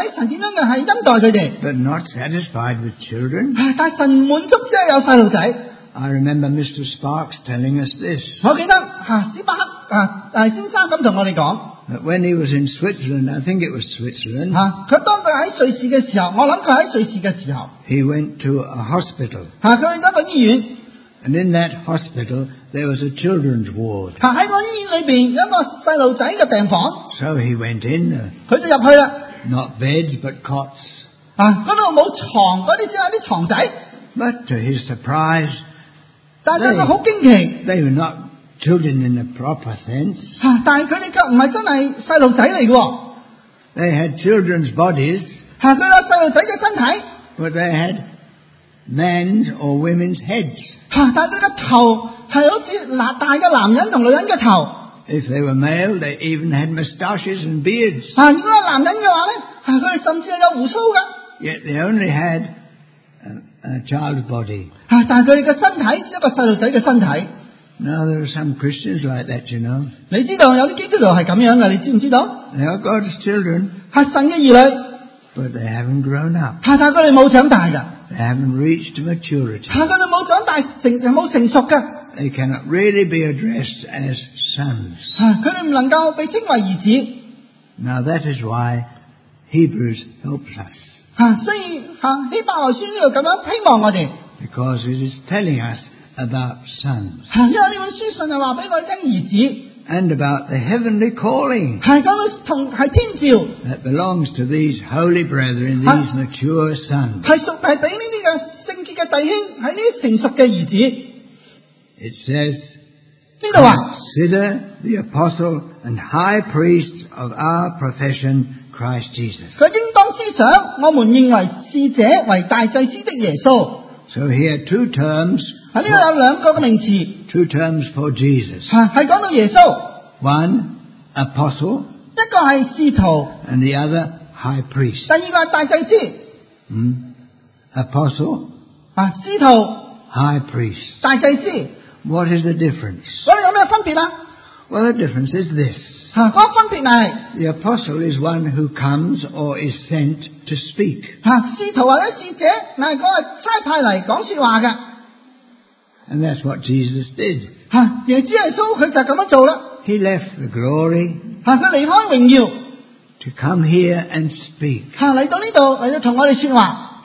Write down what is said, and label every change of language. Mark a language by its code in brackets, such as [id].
[zh] 神很欢喜有很多的小孩子。很多小孩子神怎样的是恩待他们。 [en] But not satisfied with children. [zh] 但神满足了有小孩子。 [en] I remember Mr. Sparks telling us this. [zh] 我记得斯巴克先生这么跟我们说。 [en] But when he was in Switzerland, I think it was Switzerland. [zh] 他当他在瑞士的时候，我想他在瑞士的时候。 [en] He went to a hospital. [zh] 他去了一个医院。 [en] And in that hospital, there was a children's ward. [zh] 他在那医院里面有一个小孩子的病房。 [en] So he went in. [zh] 他就进去了。 [en] Not beds, but cots. [zh] 那里没床，那里只有床仔。 [en] But to his surprise, [zh] 但是很惊奇, [en] they were not children in the proper sense. [zh] 但是他们不是真的小孩子来的。 [en] They had children's bodies. [zh] 他们有小孩子的身体, [en] but they had men's or women's heads. [zh] 但是头是好像大的男人和女人的头。 [en] If they were male, they even had moustaches and beards. [zh] 如果是男人的话呢, 他们甚至有胡须。 [en] Yet they only had a child's body. [zh] 但是他的身体, [en] now there are some Christians like that, you know. [zh] 你知道有些基督徒是这样的, 你知不知道? [en] They are God's children. [zh] 是神的儿女, [en] but they haven't grown up. [zh] 但是他们没有长大的, [en] they haven't reached maturity. [zh] 但是他们没有长大, [en] they cannot really be addressed as sons. [zh] 他们不能够被称为儿子。 [en] Now that is why Hebrews helps us. [zh] 所以希伯来书这样希望我们, [en] because it is telling us about sons. [zh] 因为这本书信就告诉我们儿子, [en] and about the heavenly calling, [zh] 是天召, [en] that belongs to these holy brethren, these mature sons. [zh] 是属于这些圣洁的弟兄, [en] it says, [zh] 这里说, [en] consider the apostle and high priest of our profession, Christ Jesus. [zh] 他应当思想我们认为使者为大祭司的耶稣。 [en] So here are two terms. [zh] 这里有两个名词。 [en] Two terms for Jesus. [zh] 是讲到耶稣。 [en] One, apostle. [zh] 一个是使徒。 [en] And the other, high priest. [zh] 第二个是大祭司。 [en] Apostle. [zh] 使徒。 [en] High priest. [zh] 大祭司。 [en] What is the difference? [zh] 那有什么分别呢? [en] Well, the difference is this. [zh] 那个分别呢? [en] The apostle is one who comes or is sent to speak. [zh] 使徒或者使者,那是差派来讲说话的。 [en] And that's what Jesus did. [zh] 耶稣他就这么做了。 [en] He left the glory. [zh] 他离开荣耀。 [en] To come here and speak. [zh] 来到这里,来跟我们说话。